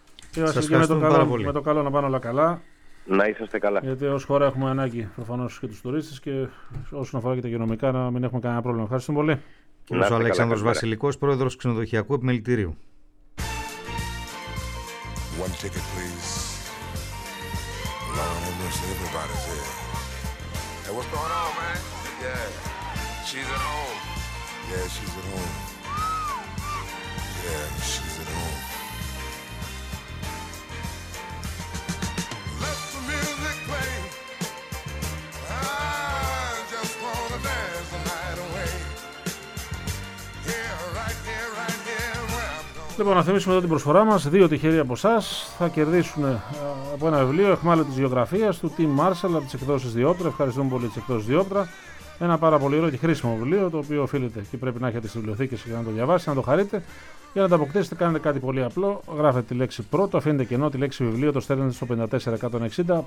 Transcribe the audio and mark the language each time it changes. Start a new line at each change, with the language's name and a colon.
Greek: Σας ευχαριστούμε πάρα πολύ. Με το καλό να πάνε όλα καλά. Να είσαστε καλά. Γιατί ως χώρα έχουμε ανάγκη προφανώς και τους τουρίστες και όσον αφορά και τα υγειονομικά να μην έχουμε κανένα πρόβλημα. Ευχαριστούμε πολύ. Ο Αλέξανδρος Βασιλικός, πρόεδρος ξενοδοχειακού επιμελητηρίου.
English: One ticket, please. Lionel Richie, everybody's here. Hey, what's going on, man? Yeah, she's at home. Yeah, she's at home. Yeah, she's at home. Let the music play. I just wanna dance the night away. Yeah, right here, right here.
Greek: Λοιπόν, να θυμίσουμε εδώ την προσφορά μας. Δύο τυχεροί από εσάς θα κερδίσουν από ένα βιβλίο εχμάλωτης γεωγραφίας του Team Marshall από τις εκδόσεις Διόπτρα. Ευχαριστούμε πολύ τις εκδόσεις Διόπτρα. Ένα πάρα πολύ ωραίο και χρήσιμο βιβλίο, το οποίο οφείλετε και πρέπει να έχετε στις βιβλιοθήκες για να το διαβάσετε, να το χαρείτε. Για να το αποκτήσετε, κάνετε κάτι πολύ απλό. Γράφετε τη λέξη πρώτο, αφήνετε κενό τη λέξη βιβλίο, το στέλνετε στο 54160.